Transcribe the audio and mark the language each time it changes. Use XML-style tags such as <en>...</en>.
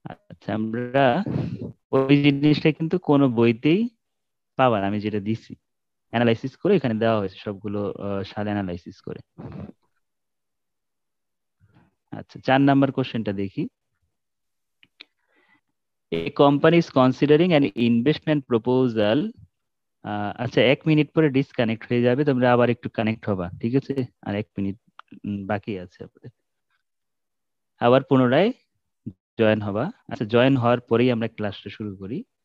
<bn>আচ্ছা আমরা ওই জিনিসটা কিন্তু কোন বইতেই পাবা না আমি যেটা দিছি অ্যানালাইসিস করে এখানে দেওয়া হয়েছে সবগুলো সাদা অ্যানালাইসিস করে আচ্ছা 4 নম্বর কোশ্চেনটা দেখি</bn> <en>A company is considering an investment proposal.</en> <bn>আচ্ছা এক মিনিট পরে ডিসকানেক্ট হয়ে যাবে, তোমরা আবার একটু কানেক্ট হবা, ঠিক আছে? আর এক মিনিট বাকি আছে, আবার পুনরায় জয়েন হবা। আচ্ছা জয়েন হওয়ার পরেই আমরা ক্লাসটা শুরু করি।</bn>